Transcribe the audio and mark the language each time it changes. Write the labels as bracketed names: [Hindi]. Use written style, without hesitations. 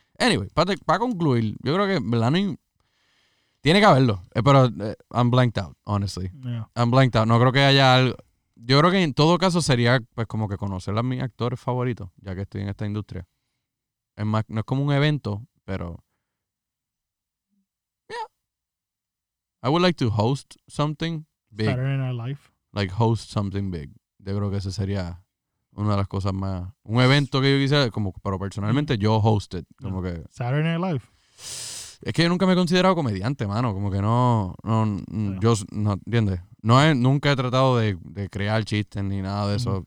[Spanish] Anyway, para concluir, yo creo que Melanie tiene que haberlo. Pero [English] I'm blanked out, honestly. Yeah. I'm blanked out. [Spanish] No creo que haya algo... Yo creo que en todo caso sería pues como que conocer a mis actores favoritos, ya que estoy en esta industria. Es más, no es como un evento, pero... [English] Yeah. I would like to host something big. Saturday Night Live. Like host something big. [Spanish] Yo creo que ese sería una de las cosas más... Un evento que yo quisiera, como, pero personalmente yo [English] hosted. [Spanish] Como que... [English] Saturday Night Live. [Spanish] Es que yo nunca me he considerado comediante, mano. Como que yo no, ¿entiendes? Nunca he tratado de crear chistes ni nada de eso.